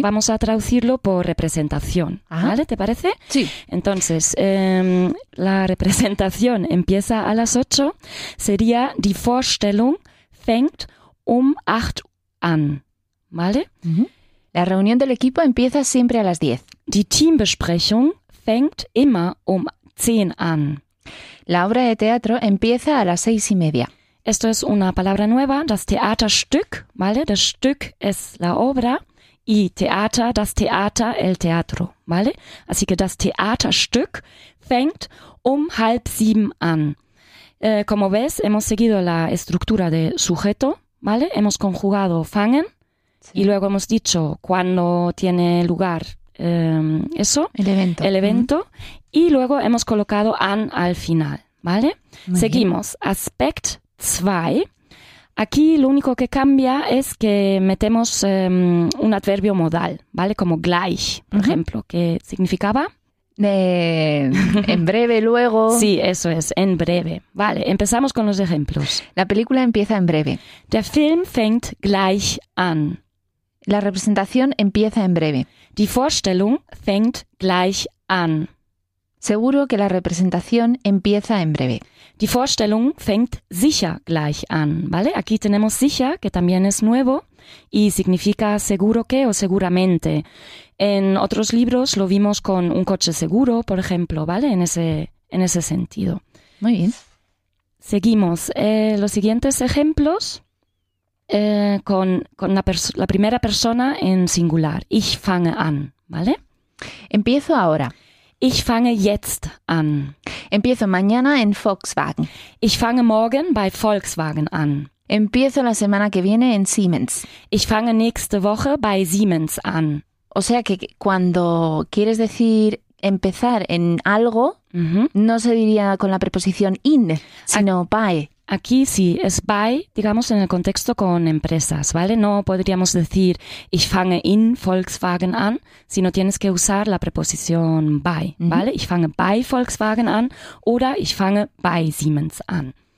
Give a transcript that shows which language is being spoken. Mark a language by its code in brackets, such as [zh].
[es] Vamos a traducirlo por representación, ajá, ¿vale? ¿Te parece? Sí. Entonces, la representación empieza a las 8, sería [de] die Vorstellung fängt acht an, [es] ¿vale? La reunión del equipo empieza siempre a las 10. [de] Die Teambesprechung fängt immer zehn an. [es] La obra de teatro empieza a las 6:30. Esto es una palabra nueva, das Theaterstück, ¿vale? Das Stück es la obra y Theater, das Theater, el teatro, ¿vale? Así que [de] das Theaterstück fängt 6:30 an. [es] Como ves, hemos seguido la estructura de sujeto, ¿vale? Hemos conjugado fangen, sí, y luego hemos dicho cuándo tiene lugar eso. El evento. El evento. Uh-huh. Y luego hemos colocado an al final, ¿vale? Muy Seguimos. Bien. Aspect 2. Aquí lo único que cambia es que metemos un adverbio modal, ¿vale? Como gleich, por uh-huh. ejemplo, que significaba... En breve, luego... Sí, eso es, en breve. Vale, empezamos con los ejemplos. La película empieza en breve. [de] Der Film fängt gleich an. [es] La representación empieza en breve. [de] Die Vorstellung fängt gleich an. [es] Seguro que la representación empieza en breve. [de] Die Vorstellung fängt sicher gleich an, [es] ¿vale? Aquí tenemos sicher, que también es nuevo, y significa seguro que o seguramente. En otros libros lo vimos con un coche seguro, por ejemplo, ¿vale? En ese sentido. Muy bien. Seguimos. Los siguientes ejemplos con la primera persona en singular. [de] Ich fange an, [es] ¿vale? Empiezo ahora. [de] Ich fange jetzt an. [es] Empiezo mañana en Volkswagen. [de] Ich fange morgen bei Volkswagen an. [es] Empiezo la semana que viene en Siemens. [de] Ich fange nächste Woche bei Siemens an. [es] O sea que cuando quieres decir empezar en algo, uh-huh. no se diría con la preposición in, sino by. Aquí sí, es by, digamos, en el contexto con empresas, ¿vale? No podríamos decir [de] ich fange in Volkswagen an, [es] sino tienes que usar la preposición by, ¿vale? [de] Uh-huh. Ich fange bei Volkswagen an oder ich fange bei Siemens an.